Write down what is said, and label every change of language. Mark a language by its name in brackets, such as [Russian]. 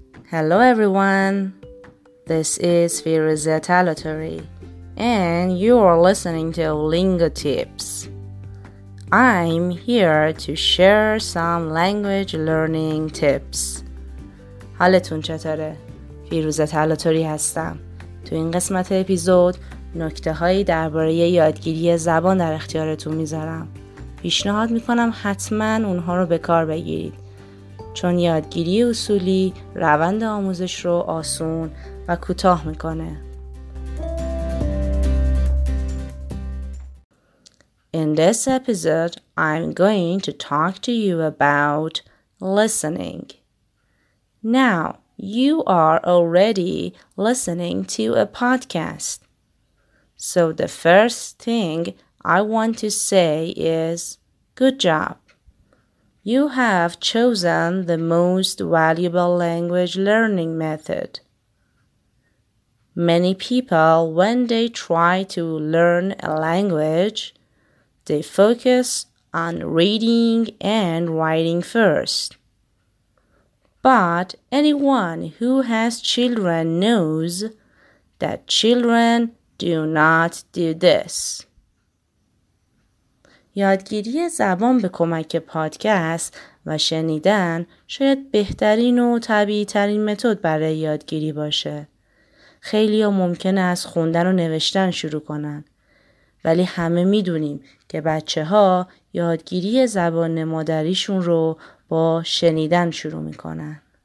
[English] Hello everyone, this is Firuzetta Lottery, and you are listening to Owlingo Tips. I'm here to share some language learning tips. [Persian] حالتون چطوره؟ فیروزتا لاتوری هستم. تو این قسمت اپیزود نکته هایی درباره یادگیری زبان در اختیارتون میذارم. پیشنهاد میکنم حتما اونها رو به کار بگیرید. چون یادگیری اصولی روند آموزش رو آسون و کوتاه میکنه. [English] In this episode, I'm going to talk to you about listening. Now, you are already listening to a podcast. So the first thing I want to say is, good job. You have chosen the most valuable language learning method. Many people, when they try to learn a language, they focus on reading and writing first. But anyone who has children knows that children do not do this. [Persian] یادگیری زبان به کمک پادکست و شنیدن شاید بهترین و طبیعی ترین متد برای یادگیری باشه. خیلی ها ممکنه از خوندن و نوشتن شروع کنن. ولی همه می دونیم که بچه ها یادگیری زبان مادریشون رو با شنیدن شروع می کنن.